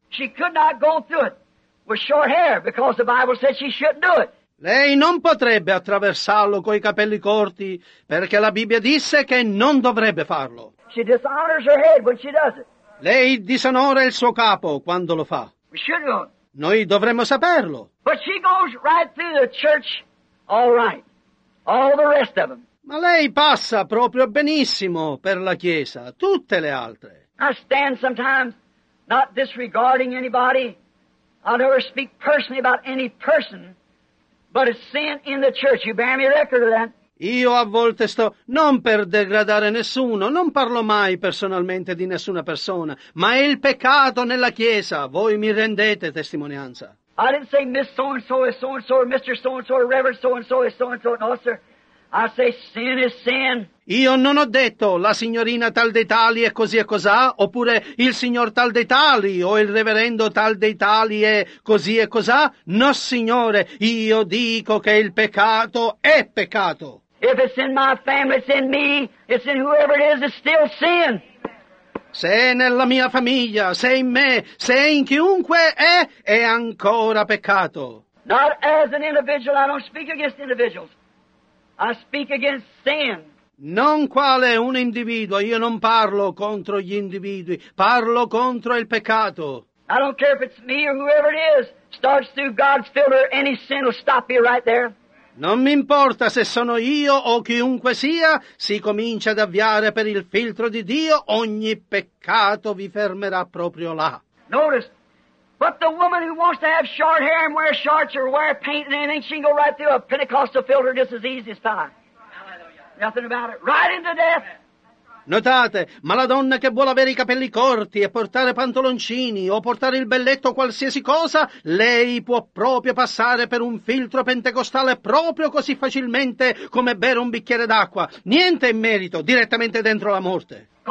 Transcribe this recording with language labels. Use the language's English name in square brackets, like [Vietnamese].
[English] She could not go through it with short hair because the Bible said she shouldn't do it. [Italian] Lei non potrebbe attraversarlo coi capelli corti perché la Bibbia disse che non dovrebbe farlo. [English] She dishonors her head when she does it. [Italian] Lei disonora il suo capo quando lo fa. [English] We should know. [Italian] Noi dovremmo saperlo. [English] But she goes right through the church. All right. All the rest of them. [Italian] Ma lei passa proprio benissimo per la Chiesa, tutte le altre. [English] I stand sometimes not disregarding anybody. I'll never speak personally about any person, but it's sin in the church. You bear me record of that. [Italian] Io a volte sto non per degradare nessuno, non parlo mai personalmente di nessuna persona, ma è il peccato nella Chiesa, voi mi rendete testimonianza. [English] I didn't say Miss so-and-so is so-and-so, or Mr. so-and-so, or Reverend so-and-so is so-and-so. No, sir. I say sin is sin. [Italian] Io non ho detto la signorina tal dei tali è così e cosà, oppure il signor tal dei tali, o il reverendo tal dei tali è così e cosà. No, signore, io dico che il peccato è peccato. [English] If it's in my family, it's in me, it's in whoever it is, it's still sin. [Italian] Se è nella mia famiglia, se è in me, se è in chiunque è ancora peccato. [English] Not as an individual, I don't speak against individuals. I speak against sin. [Italian] Non quale un individuo, io non parlo contro gli individui, parlo contro il peccato. [English] I don't care if it's me or whoever it is, starts through God's filter, any sin will stop you right there. [Italian] Non mi importa se sono io o chiunque sia, si comincia ad avviare per il filtro di Dio, ogni peccato vi fermerà proprio là. [English] Notice, but the woman who wants to have short hair and wear shorts or wear paint and anything, she can go right through a Pentecostal filter just as easy as pie. Nothing about it. Right into death. [Italian] Notate, ma la donna che vuole avere i capelli corti e portare pantaloncini o portare il belletto o qualsiasi cosa, lei può proprio passare per un filtro pentecostale proprio così facilmente come bere un bicchiere d'acqua. Niente in merito, direttamente dentro la morte.